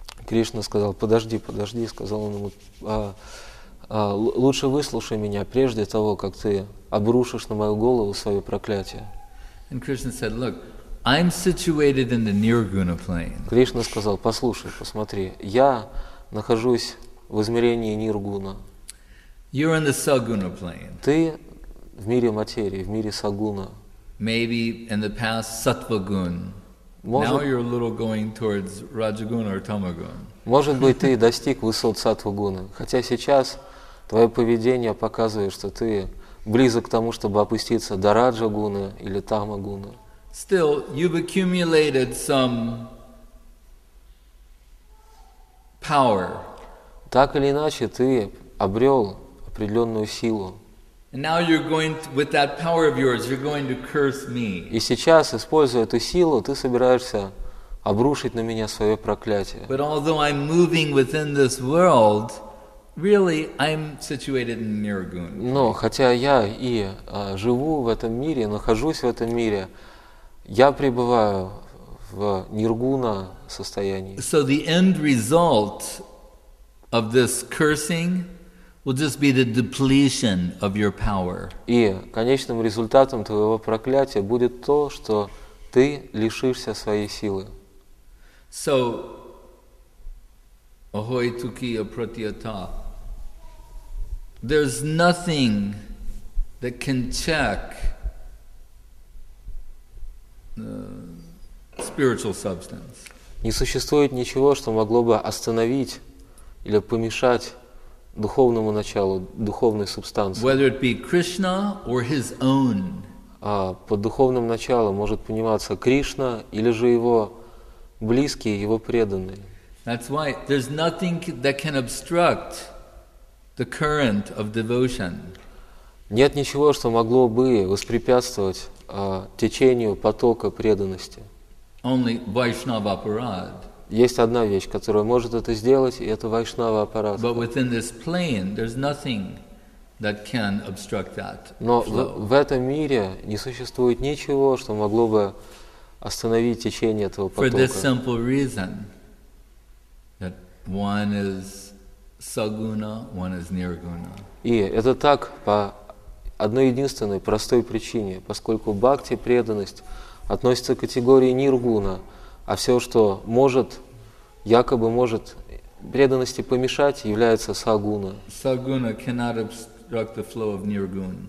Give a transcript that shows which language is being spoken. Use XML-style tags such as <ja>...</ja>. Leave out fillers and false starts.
<ru>Кришна сказал, подожди, сказал он ему, лучше выслушай меня прежде того, как ты обрушишь на мою голову свое проклятие.</ru> <en>And Krishna said, look, I'm situated in the Nirguna plane.</en> <ru>Кришна сказал, послушай, посмотри, я нахожусь в измерении ниргуна.</ru> <en>You're in the saguna plane.</en> <ru>Ты в мире материи, в мире сагуна.</ru> <en>Maybe in the past сатвагун. Now you're a little going towards раджагуна or тамагуна.</en> <ru>Может быть, ты достиг высот сатвагуны, хотя сейчас твое поведение показывает, что ты близок к тому, чтобы опуститься до раджагуны или тамагуны.</ru> <en>Still, you've accumulated some power.</en> <ru>Так или иначе, ты обрел определенную силу.</ru> <en>And now you're going to, with that power of yours, you're going to curse me.</en> <ru>И сейчас, используя эту силу, ты собираешься обрушить на меня свое проклятие.</ru> <en>But although I'm moving within this world, really I'm situated in Nirguna.</en> <ru>Но хотя я и живу в этом мире, нахожусь в этом мире, я пребываю в Ниргуна состоянии.</ru> <en>So the end result of this cursing will just be the depletion of your power.</en> <ru>И конечным результатом твоего проклятия будет то, что ты лишишься своей силы. So, ahoy tukiya pratyata.</ru> <en>There's nothing that can check the spiritual substance.</en> <ru>Не существует ничего, что могло бы остановить или помешать духовному началу, духовной субстанции.</ru> <en>Whether it be Krishna or his own.</en> <ru>Под духовным началом может пониматься Кришна или же его близкие, его преданные.</ru> <en>That's why there's nothing that can obstruct the current of devotion.</en> <ru>Нет ничего, что могло бы воспрепятствовать течению потока преданности.</ru> <en>Only Vaishnava Parad.</en> <ru>Есть одна вещь, которая может это сделать, и это вайшнава аппарат.</ru> <en>But within this plane, there's nothing that can obstruct that.</en> <ru>Но в этом мире не существует ничего, что могло бы остановить течение этого потока.</ru> <en>For this simple reason, that one is saguna, one is nirguna.</en> <ru>И это так по одной единственной простой причине, поскольку бхакти, преданность, относится к категории ниргуна. А все, что может, якобы может преданности помешать, является сагуна.</ru> <en>Сагуна cannot obstruct the flow of nirguna.</en>